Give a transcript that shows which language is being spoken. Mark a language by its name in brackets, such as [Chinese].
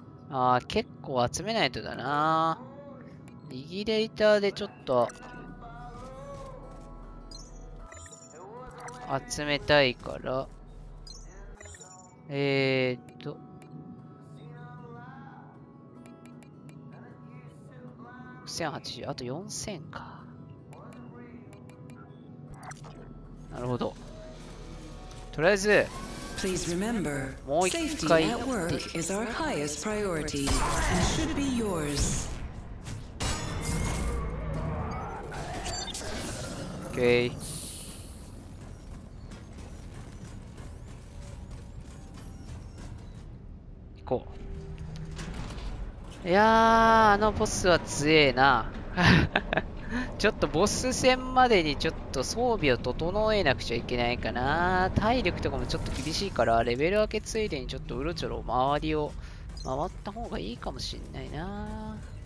[Japanese] ああ、結構集めないとだな。リギレーターでちょっと集めたいから、6080、あと4000か。なるほど。とりあえず [English] Please remember, safety at work is our highest priority and should be yours. Okay. Go. Yeah, that boss is strong. [Japanese] ちょっとボス戦までにちょっと装備を整えなくちゃいけないかな。体力とかもちょっと厳しいから、レベル上げついでにちょっとうろちょろ周りを回った方がいいかもしんないな。